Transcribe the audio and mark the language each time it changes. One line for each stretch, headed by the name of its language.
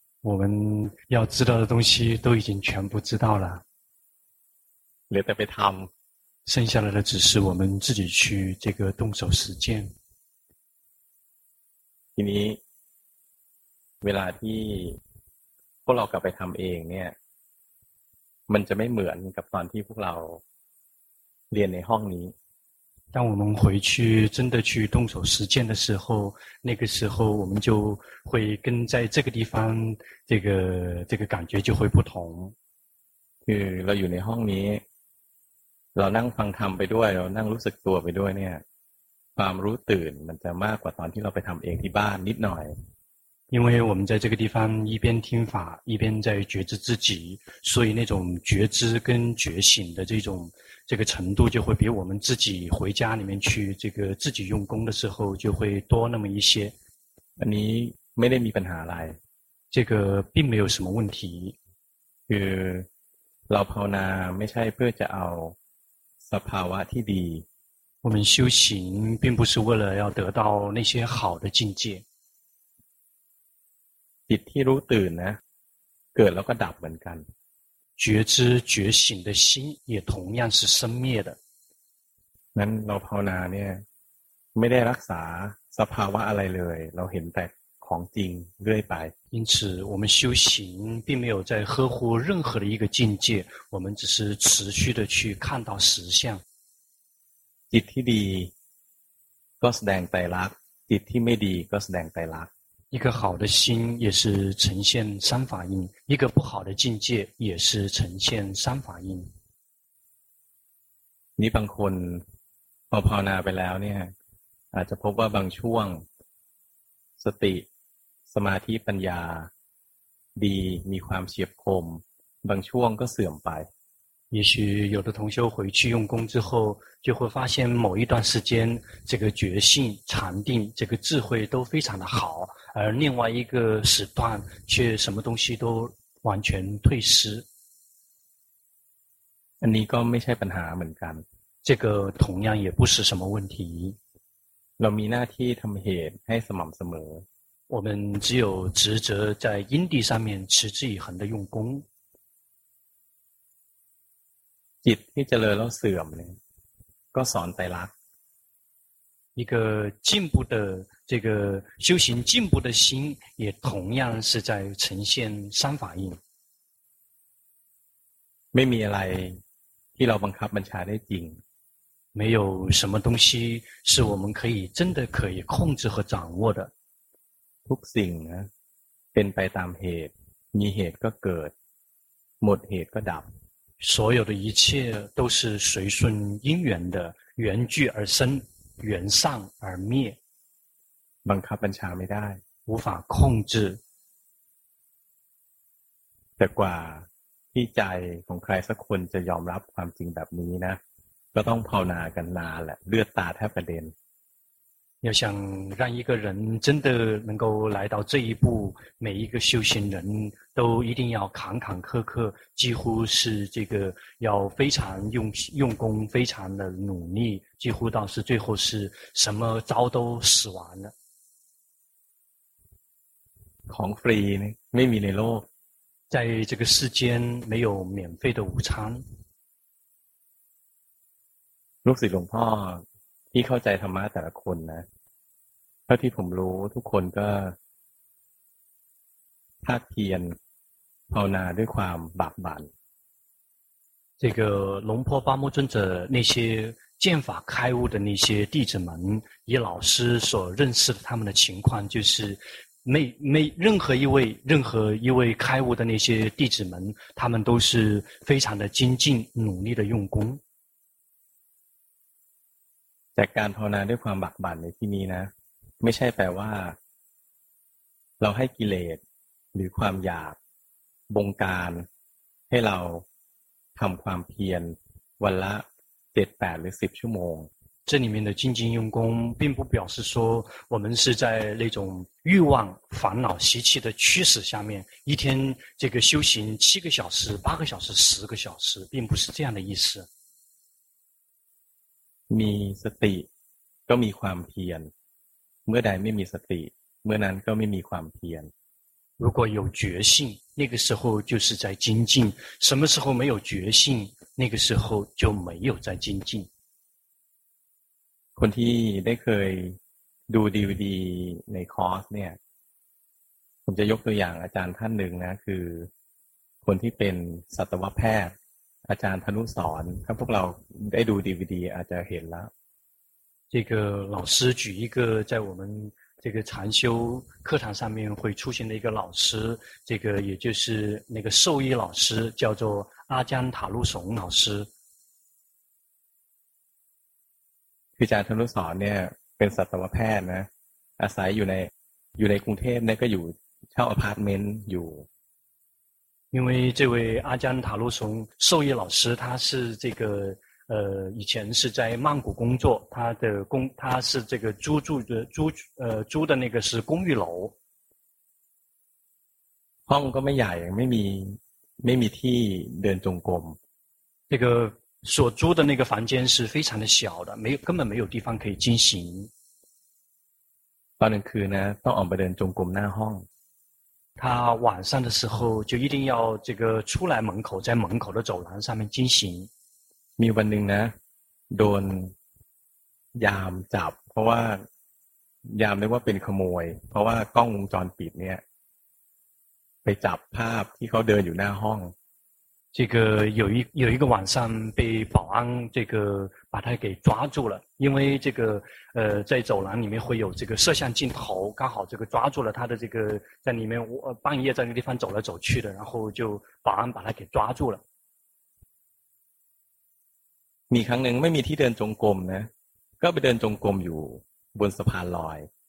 Chinese: 我们要知道的东西都已经全部知道了
Thai: เหลือแต่ไปทำ
Chinese: 剩下来的只是我们自己去这个动手实践
Thai: ทีนี้เวลาที่พวกเรากลับไปทำเองเนี่ยมันจะไม่เหมือนกับตอนที่พวกเราเรียนในห้องนี้
Chinese: 当我们回去真的去动手实践的时候，那个时候我们就会跟在这个地方这个感觉就会不同。
Thai: คือเราอยู่ในห้องนี้เรานั่งฟังธรรมไปด้วยเรานั่งรู้สึกตัวไปด้วยเนี่ยความรู้ตื่นมันจะมากกว่าตอนที่เราไปทำเองที่บ้านนิดหน่อย
Chinese: 因为我们在这个地方一边听法一边在觉知自己，所以那种觉知跟觉醒的这个程度就会比我们自己回家里面去这个自己用功的时候就会多那么一些。
Thai: อันนี้ไม่ได้มีปัญหาอะไร
Chinese: 这个并没有什么问题。
Thai: คือเราภาวนาไม่ใช่เพื่อจะเอาสภาวะที่ดี
Chinese: 我们修行并不是为了要得到那些好的境界。
Thai: จิตที่รู้ตื่นนะเกิดแล้วก็ดับเหมือนกัน
Chinese: 觉知觉醒的心也同样是生灭的
Thai: นั้นเราภาวนาเนี่ยไม่ได้รักษาสภาวะอะไรเลยเราเห็นแต่ของจริงเรื่อยไป
Chinese: 因此我们修行并没有在呵护任何的一个境界我们只是持续的去看到实相
Thai: จิตที่ดีก็แสดงไตรลักษณ์จิตที่ไม่ดีก็แสดงไตรลักษณ์
Chinese: 一个好的心也是呈现三法印，一个不好的境界也是呈现三法印。
Thai: นี่บางคนพอภาวนาไปแล้วเนี่ยอาจจะพบว่าบางช่วงสติสมาธิปัญญาดีมีความเฉียบคมบางช่วงก็เสื่อมไป
Chinese: 也许有的同修回去用功之后，就会发现某一段时间，这个觉性、禅定、这个智慧都非常的好，而另外一个时段却什么东西都完全退失。
Thai: อันนี้ก็ไม่ใช่ปัญหาเหมือนกัน。
Chinese: 这个同样也不是什么问题。
Thai: เรามีหน้าที่ทำเหตุให้สม่ำเสมอ。
Chinese: 我们只有职责在因地上面持之以恒的用功。
Thai: จิตที่เจริญแล้วเสื่อมเนี่ยก็สอนไตรลักษณ์
Chinese: 一个进步的这个修行进步的心也同样是在呈现三法印
Thai: ไม่มีอะไรที่เราบังคับบัญชาได้จริง
Chinese: 没有什么东西是我们可以真的可以控制和掌握的
Thai: ทุกสิ่งนะเป็นไปตามเหตุมีเหตุก็เกิดหมดเหตุก็ดับ
Chinese: 所有的一切都是随顺因缘的，缘聚而生，缘散而灭。
Thai: บังคับบัญชาไม่ได้
Chinese: ，无法控制。
Thai: แต่กว่าที่ใจของใครสักคนจะยอมรับความจริงแบบนี้นะ，ก็ต้องภาวนากันนานแหละ，เลือดตาแทบกระเด็น。
Chinese: 要想让一个人真的能够来到这一步，每一个修行人都一定要坎坎坷坷，几乎是这个要非常用功，非常的努力，几乎到是最后是什么招都使完了。
Thai: ของฟรีนี่ไม่มีในโลก，
Chinese: 在这个世间没有免费的午餐。
Thai: ลูกศิษย์หลวงพ่อที่เข้าใจธรรมะแต่ละคนนะเท่าที่ผมรู้ทุกคนก็ภาคเพียรภาวนาด้วยความบากบั่น
Chinese: 这个龙婆巴木尊者那些见法开悟的那些弟子们以老师所认识的他们的情况就是任何一位开悟的那些弟子们他们都是非常的精进努力的用功
Thai: แต่การภาวนาด้วยความบากบั่นในที่นี้นะไม่ใช่แปลว่าเราให้กิเลสหรือความอยากบงการให้เราทำความเพียรวันละ7-8หรือ10ชั่วโมง
Chinese: 这里面的精进用功并不表示说我们是在那种欲望烦恼习气的驱使下面一天这个修行7个小时8个小时10个小时并不是这样的意思
Thai: มีสติก็มีความเพียรเมื่อใดไม่มีสติ เมื่อนั้นก็ไม่มีความเพียร
Chinese: 如果有决心那个时候就是在精进什么时候没有决心那个时候就没有在精进
Thai: คนที่ได้เคยดู DVD ในคอร์สเนี่ยผมจะยกตัวอย่างอาจารย์ท่านหนึ่งนะคือคนที่เป็นสัตวแพทย์อาจารย์ธนุสอนถ้าพวกเราได้ดู DVD อาจจะเห็นแล้ว
Chinese: 这个老师举一个在我们这个禅修课堂上面会出现的一个老师，这个也就是那个兽医老师，叫做阿姜塔鲁怂老师。
Thai: คือ อาจารย์ธนุสอนเนี่ยเป็นสัตวแพทย์นะอาศัยอยู่ในกรุงเทพเนี่ยก็อยู่เช่าอพาร์ตเมนต์อยู่
Chinese: 因为这位阿姜塔鲁怂兽医老师他是这个以前是在曼谷工作他是这个租的那个是公寓楼
Thai: ห้องก็ไม่ใหญ่ไม่มีที่เดินจงกรม
Chinese: 这个所租的那个房间是非常的小的没有根本没有地方可以进行
Thai: ตอนกลางคืนนะต้องออกไปเดินจงกรมหน้าห้อง
Chinese: 他晚上的时候就一定要这个出来门口在门口的走廊上面进行
Thai: มีวันหนึ่งนะโดนยามจับเพราะว่ายามเรียกว่าเป็นขโมยเพราะว่ากล้องวงจรปิดเนี่ยไปจับภาพที่เขาเดินอยู่หน้าห้อง
Chinese: 这个有一个晚上被保安这个把他给抓住了因为这个在走廊里面会有这个摄像镜头刚好这个抓住了他的这个在里面半夜在那个地方走来走去的然后就保安把他给抓住了
Thai: มีครั้งหนึ่งไม่มีที่เดินจงกรมนะก็ไปเดินจงกรมอยู่บนสะพานลอย